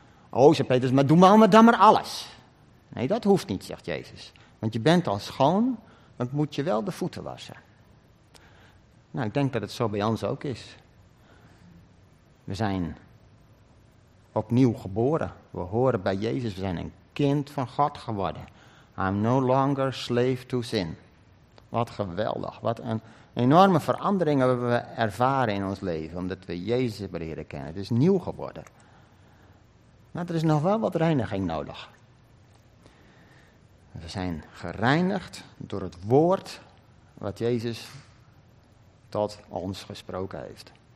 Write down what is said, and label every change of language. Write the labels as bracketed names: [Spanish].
[Dutch] Oh, zei Petrus, maar doe maar dan maar alles. Nee, dat hoeft niet, zegt Jezus. Want je bent al schoon, dan moet je wel de voeten wassen. Nou, ik denk dat het zo bij ons ook is. We zijn opnieuw geboren. We horen bij Jezus, we zijn een kind van God geworden. [English] I'm no longer slave to sin. [Dutch] Wat geweldig. Wat een enorme verandering hebben we ervaren in ons leven. Omdat we Jezus hebben leren kennen. Het is nieuw geworden. Maar er is nog wel wat reiniging nodig. We zijn gereinigd door het woord wat Jezus tot ons gesproken heeft.